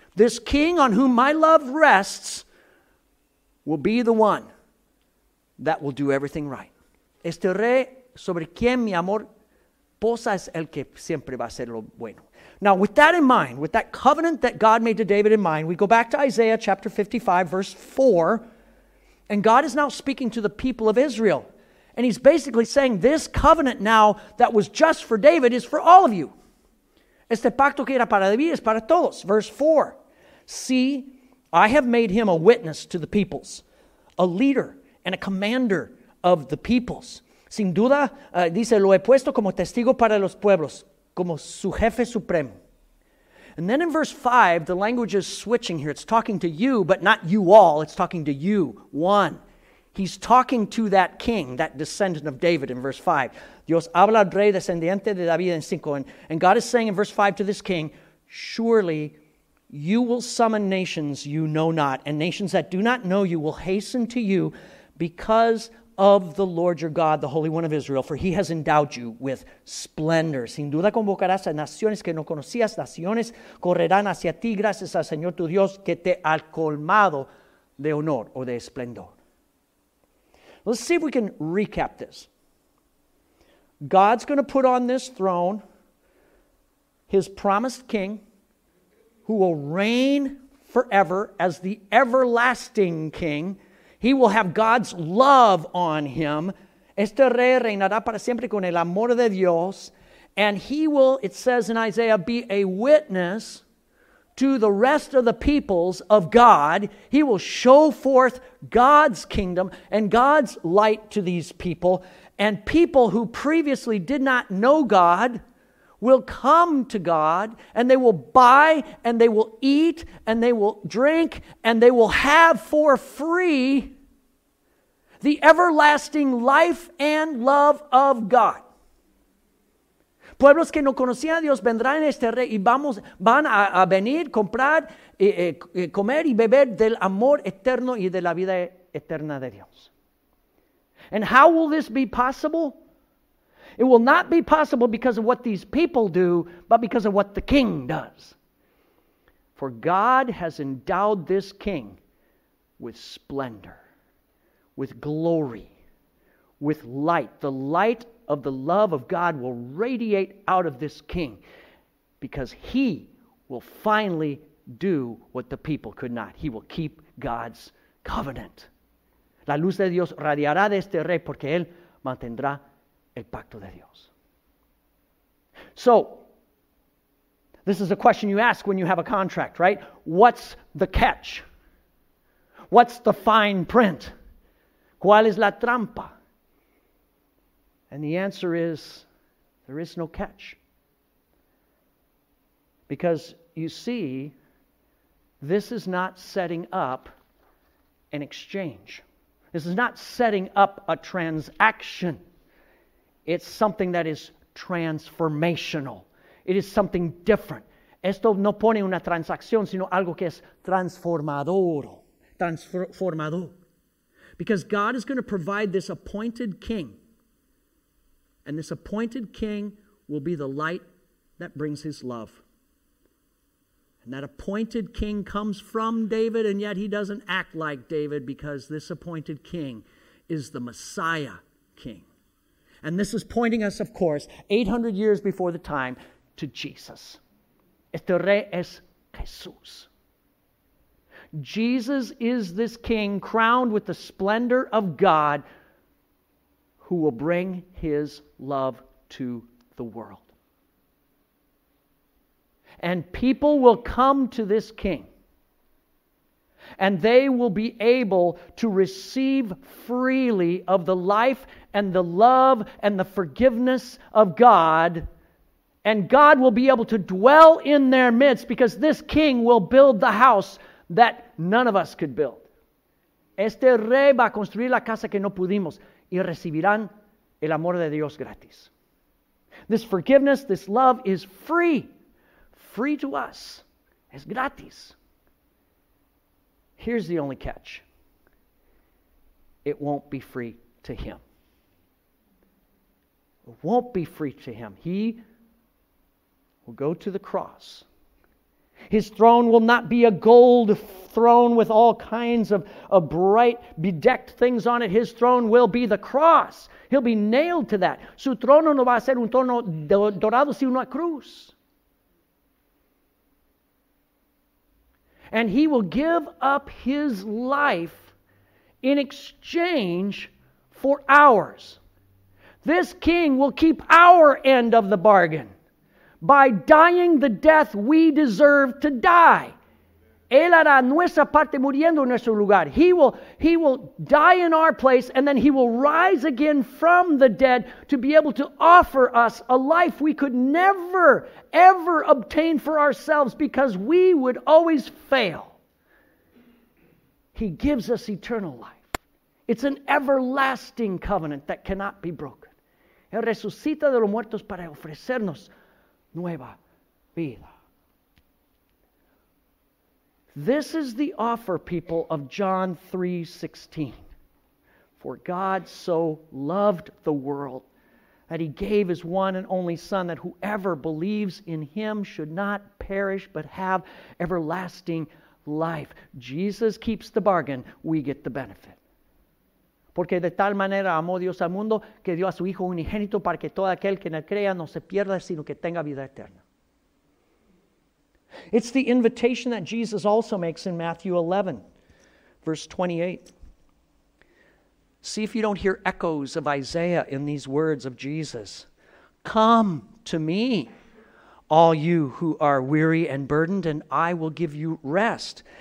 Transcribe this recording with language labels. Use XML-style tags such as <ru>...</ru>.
<en>This king on whom my love rests will be the one that will do everything right.</en> <es>Este rey sobre quien mi amor posa es el que siempre va a hacer lo bueno.</es> <en>Now, with that in mind, with that covenant that God made to David in mind, we go back to Isaiah chapter 55, verse 4, and God is now speaking to the people of Israel. And he's basically saying, this covenant now that was just for David is for all of you.</en> <es>Este pacto que era para David es para todos.</es> <en>Verse 4. See, I have made him a witness to the peoples, a leader and a commander of the peoples.</en> <es>Sin duda, dice, lo he puesto como testigo para los pueblos, como su jefe supremo.</es> <en>And then in verse 5, the language is switching here. It's talking to you, but not you all. It's talking to you, one. He's talking to that king, that descendant of David in verse 5.</en> <es>Dios habla al rey descendiente de David en 5.</es> <en>And God is saying in verse 5 to this king, surely you will summon nations you know not, and nations that do not know you will hasten to you because of the Lord your God, the Holy One of Israel, for he has endowed you with splendor.</en> <es>Sin duda convocarás a naciones que no conocías, naciones correrán hacia ti gracias al Señor tu Dios que te ha colmado de honor o de esplendor.</es> <en>Let's see if we can recap this. God's going to put on this throne his promised king who will reign forever as the everlasting king. He will have God's love on him.</en> <es>Este rey reinará para siempre con el amor de Dios.</es> <en>And he will, it says in Isaiah, be a witness to the rest of the peoples of God. He will show forth God's kingdom and God's light to these people. And people who previously did not know God will come to God, and they will buy, and they will eat, and they will drink, and they will have for free the everlasting life and love of God.</en> <es>Pueblos que no conocían a Dios vendrán a este rey y van a venir, comprar, comer y beber del amor eterno y de la vida eterna de Dios.</es> <en>And how will this be possible? It will not be possible because of what these people do, but because of what the king does. For God has endowed this king with splendor, with glory, with light. The light of the love of God will radiate out of this king because he will finally do what the people could not. He will keep God's covenant.</en> <es>La luz de Dios radiará de este rey porque él mantendrá el pacto de Dios.</es> <en>So, this is a question you ask when you have a contract, right? What's the catch? What's the fine print?</en> <es>¿Cuál es la trampa?</es> <en>And the answer is, there is no catch. Because, you see, this is not setting up an exchange. This is not setting up a transaction. It's something that is transformational. It is something different.</en> <es>Esto no pone una transacción, sino algo que es transformador. Transformador.</es> <en>Because God is going to provide this appointed king. And this appointed king will be the light that brings his love. And that appointed king comes from David, and yet he doesn't act like David because this appointed king is the Messiah king. And this is pointing us, of course, 800 years before the time, to Jesus.</en> <es>Este rey es Jesús.</es> <en>Jesus is this king crowned with the splendor of God who will bring his love to the world. And people will come to this king, and they will be able to receive freely of the life and the love and the forgiveness of God. And God will be able to dwell in their midst because this king will build the house that none of us could build.</en> <es>Este rey va a construir la casa que no pudimos y recibirán el amor de Dios gratis.</es> <en>This forgiveness, this love is free. Free to us.</en> <es>Es gratis.</es> <en>Here's the only catch. It won't be free to him. It won't be free to him. He will go to the cross. His throne will not be a gold throne with all kinds of bright, bedecked things on it. His throne will be the cross. He'll be nailed to that.</en> <es>Su trono no va a ser un trono dorado, sino una cruz.</es> <en>And he will give up his life in exchange for ours. This king will keep our end of the bargain by dying the death we deserve to die.</en> <es>Él hará nuestra parte muriendo en nuestro lugar.</es> <en>He will die in our place, and then he will rise again from the dead to be able to offer us a life we could never, ever obtain for ourselves because we would always fail. He gives us eternal life. It's an everlasting covenant that cannot be broken.</en> <es>Él resucita de los muertos para ofrecernos nueva vida.</es> <en>This is the offer, people, of John 3:16. For God so loved the world that he gave his one and only Son, that whoever believes in him should not perish but have everlasting life. Jesus keeps the bargain, we get the benefit.</en> <es>Porque de tal manera amó Dios al mundo que dio a su Hijo unigénito para que todo aquel que en él crea no se pierda, sino que tenga vida eterna.</es> <en>It's the invitation that Jesus also makes in Matthew 11, verse 28. See if you don't hear echoes of Isaiah in these words of Jesus. Come to me, all you who are weary and burdened, and I will give you rest.</en>